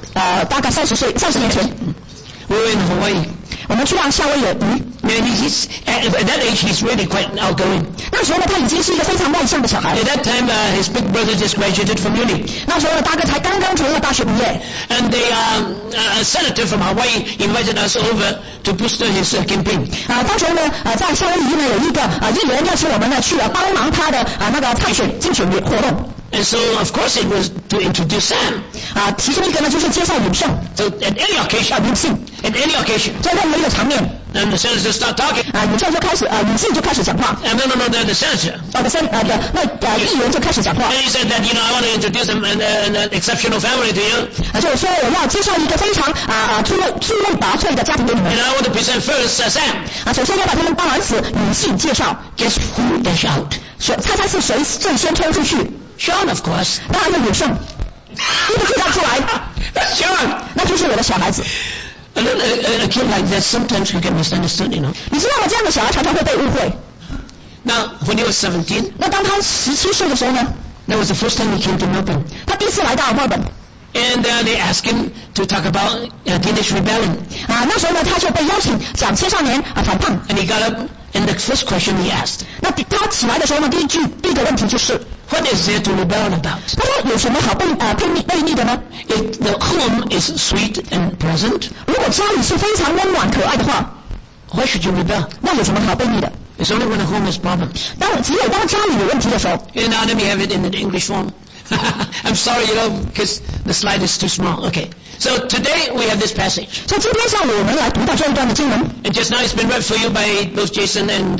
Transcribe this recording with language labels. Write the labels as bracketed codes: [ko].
[zh] 大概三十年前 [en] we were in Hawaii. [zh] 我们去到夏威夷。 [en] And he's at that age, he's really quite outgoing. [zh] 那时候呢，他已经是一个非常外向的小孩。 [en] At that time, his big brother just graduated from uni. [zh] 那时候呢，大哥才刚刚从大学毕业。 [en] And the senator from Hawaii invited us over to boost his campaign. [zh] 当时呢，在夏威夷呢有一个议员邀请我们呢去帮忙他的那个竞选活动。 [en] And so, of course, it was to introduce Sam. [zh] 其中一个呢就是介绍尹胜。 [en] So at any occasion, [zh] 尹胜。 [en] At any occasion. [zh] 在任何一个场面。 [en] And the senator start talking. [zh] 尹胜就开始，尹胜就开始讲话。 [en] No, the senator. [zh] 议员就开始讲话。 [en] And he said that, you know, I want to introduce an exceptional family to you. [zh] 就是说我要介绍一个非常出类拔萃的家庭给你们。 [en] And I want to present first Sam. [zh] 首先要把他们帮儿子尹胜介绍。 [en] Guess who dash out? [zh] 猜猜是谁最先冲出去？ [en] Sean, of course. [zh] 当然是尹胜，一个回答出来。 [en] That's Sean. [zh] 那就是我的小孩子。 [en] A kid like that sometimes can get misunderstood, you know. [zh] 你知道吗？这样的小孩常常会被误会。 [en] Now, when he was 17. [zh] 那当他17岁的时候呢 [en] ？That was the first time he came to Melbourne. [zh] 他第一次来到墨尔本。 [en] And they asked him to talk about teenage rebellion. [zh] 那时候呢，他就被邀请讲青少年反叛。 [en] And he got up, and the first question he asked. [zh] 那他起来的时候呢，第一个问题就是。 [en] What is there to rebel about? [zh] 他说有什么好悖逆的呢 [en] ？If the home is sweet and pleasant, [zh] 如果家里是非常温暖可爱的话 [en] ，Why should you rebel? [zh] 那有什么好悖逆的 [en] ？It's only when the home has problems. [zh] 只有当家里有问题的时候。 [en] And now let me have it in an English form. I'm sorry, you know, because the slide is too small. Okay. So today we have this passage. [zh] 所以今天上午我们来读到这一段的经文。 [en] And just now it's been read for you by both Jason and